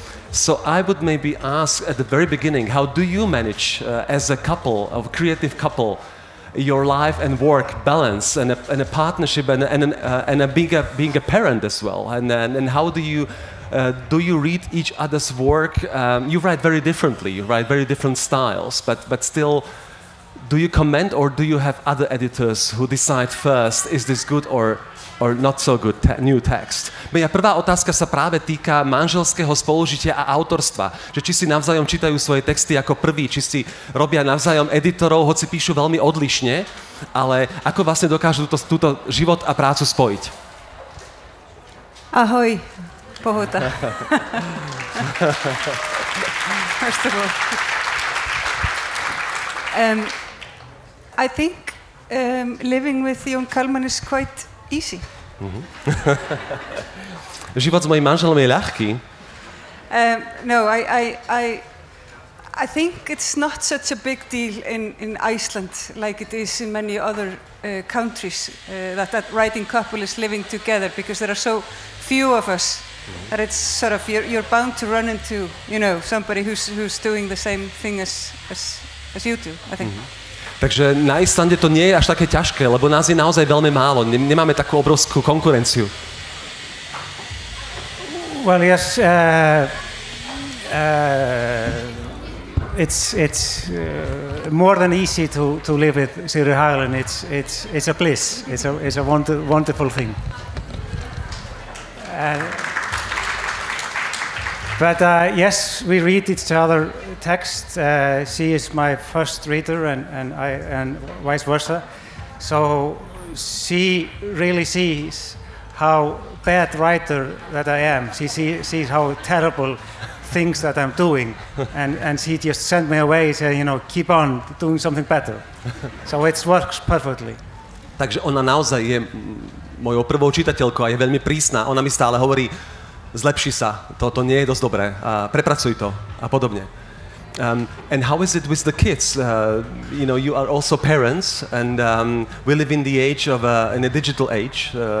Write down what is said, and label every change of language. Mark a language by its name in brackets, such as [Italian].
[English] So I would maybe ask at the very beginning, how do you manage as a couple, a creative couple, your life and work balance and a partnership and being a parent as well, and how do you read each other's work? You write very differently, you write very different styles, but still, do you comment or do you have other editors who decide first, is this good or not so good new text? [Slovak] Moja prvá otázka sa práve týka manželského spolužitia a autorstva. Že či si navzájom čítajú svoje texty ako prvý, či si robia navzájom editorov, hoci píšu veľmi odlišne, ale ako vlastne dokážu túto život a prácu spojiť? Ahoj, Pohoda. [English] First of all. I think living with Jón Kalman is quite easy. [Slovak] Život s mojím manželom je ľahký. [English] No, I think it's not such a big deal in Iceland like it is in many other countries that writing couple is living together because there are so few of us that it's sort of you're bound to run into, somebody who's doing the same thing as you do, I think. Mm-hmm. [Slovak] Takže na Islande to nie je až také ťažké, lebo nás je naozaj veľmi málo. Nemáme takú obrovskú konkurenciu. [English] Well, yes. It's more than easy to live with Sigrid Haglund. It's a bliss. It's a wonderful thing. But yes, we read each other text. She is my first reader, and vice versa. So she really sees how bad writer that I am. She sees how terrible things that I'm doing, and she just sent me away, saying, you know, keep on doing something better. So it works perfectly. [Slovak] Takže ona naozaj je mojou prvou čitateľkou a je veľmi prísna. Ona mi stále hovorí, zlepši sa, to nie je dosť dobré, prepracuj to a podobne. [English] And how is it with the kids? You know, you are also parents, and we live in the age of in a digital age.